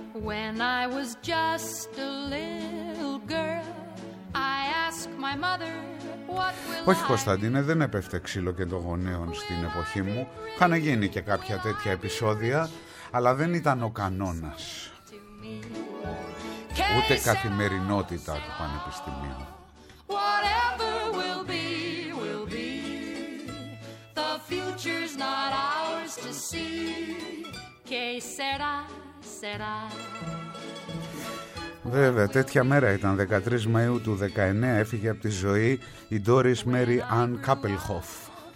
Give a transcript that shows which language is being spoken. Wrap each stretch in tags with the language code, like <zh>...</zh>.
<en>When I was just a little girl, I asked my mother, what will</en> <el>Όχι Κωνσταντίνε, δεν έπεφτε ξύλο και των γονέων στην εποχή μου. Είχαν γίνει και κάποια τέτοια επεισόδια, αλλά δεν ήταν ο κανόνας. Ούτε καθημερινότητα του πανεπιστημίου.</el> <en>Whatever will be, will be. The future's not ours to see.</en> <es>Que sera, sera.</es> <el>Βέβαια, τέτοια μέρα ήταν, 13 Μαΐου του 19, έφυγε από τη ζωή η Doris Mary Ann Kappelhoff.</el>